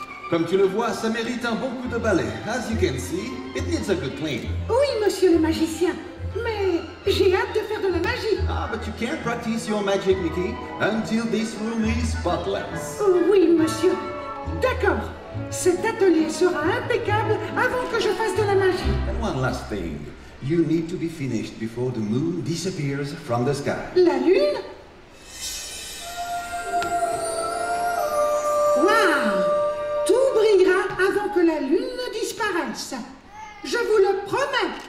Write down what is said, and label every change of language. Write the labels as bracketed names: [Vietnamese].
[French] Comme tu le vois, ça mérite un bon coup de balai. [English] As you can see, it needs a good clean. [French] Oui, monsieur le magicien. Mais j'ai hâte de faire de la magie. [English] Ah, but you can't practice your magic, Mickey, until this room is spotless. [French] Oui, monsieur. D'accord. Cet atelier sera impeccable avant que je fasse de la magie. [English] And one last thing. You need to be finished before the moon disappears from the sky. [French] La lune? Wow! Tout brillera avant que la lune ne disparaisse. Je vous le promets.